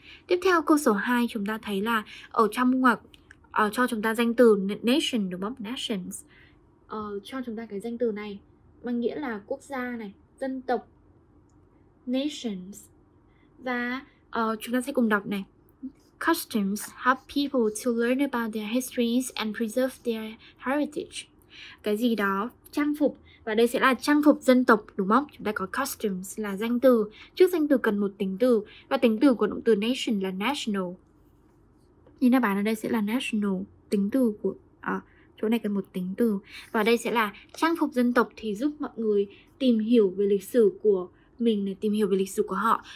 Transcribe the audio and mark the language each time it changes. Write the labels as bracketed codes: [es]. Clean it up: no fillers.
[vi] Tiếp theo câu số 2 chúng ta thấy là ở trong ngoặc cho chúng ta danh từ nation đúng không? Nations cho chúng ta cái danh từ này mang nghĩa là quốc gia này, dân tộc, nations. Và chúng ta sẽ cùng đọc này. [en] Customs help people to learn about their histories and preserve their heritage. [vi] Cái gì đó, trang phục. Và đây sẽ là trang phục dân tộc, đúng không? Chúng ta có customs là danh từ. Trước danh từ cần một tính từ. Và tính từ của động từ nation là national. Nhìn đáp án ở đây sẽ là national. Tính từ của... chỗ này cần một tính từ. Và đây sẽ là trang phục dân tộc thì giúp mọi người tìm hiểu về lịch sử của mình, tìm hiểu về lịch sử của họ.